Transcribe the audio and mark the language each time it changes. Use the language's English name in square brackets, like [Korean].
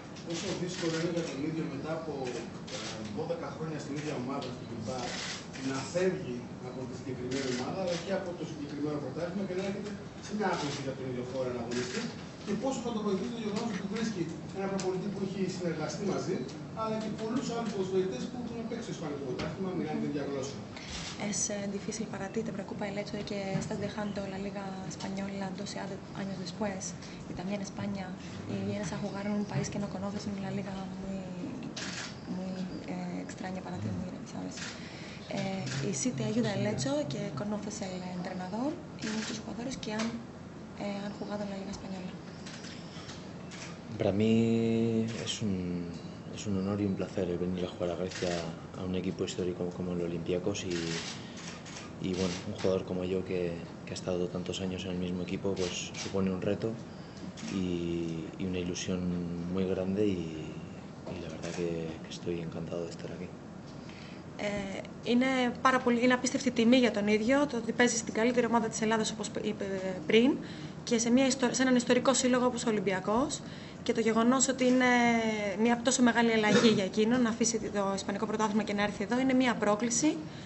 [Greek] Πόσο δύσκολο είναι για τον ίδιο μετά από 12 χρόνια στην ίδια ομάδα στην Κυπά να φεύγει από τη συγκεκριμένη ομάδα αλλά και από το συγκεκριμένο πρωτάθλημα και να έρχεται σε μια άκρηση για τον ίδιο χώρο να αγωνιστεί και πόσο θα το βοηθήσει το γεγονός ότι βρίσκει ένα προπονητή που έχει συνεργαστεί μαζί, αλλά και πολλούς άλλους προσβολητές που έχουν παίξει στο Ισπανικό Πρωτάθλημα, μιλάνε την ίδια γλώσσα. [Spanish] Es difícil para ti, te preocupa el hecho de que estás dejando la Liga Española 12 años después y también España y vienes a jugar en un país que no conoces, en una liga muy, muy extraña para ti, muy, ¿sabes? Y sí te ayuda el hecho de que conoces el entrenador y muchos jugadores que han, han jugado en la Liga Española. Para mí es un honor y un placer venir a jugar a Grecia a un equipo histórico como el Olympiacos y bueno, un jugador como yo que ha estado tantos años en el mismo equipo pues supone un reto y una ilusión muy grande y la verdad que estoy encantado de estar aquí. [Greek] Είναι πάρα πολύ, είναι απίστευτη τιμή για τον ίδιο το ότι παίζει στην καλύτερη ομάδα της Ελλάδας όπως είπε πριν και σε έναν ιστορικό σύλλογο όπως ο Ολυμπιακός και το γεγονός ότι είναι μια τόσο μεγάλη αλλαγή για εκείνον να αφήσει το Ισπανικό Πρωτάθλημα και να έρθει εδώ είναι μια πρόκληση.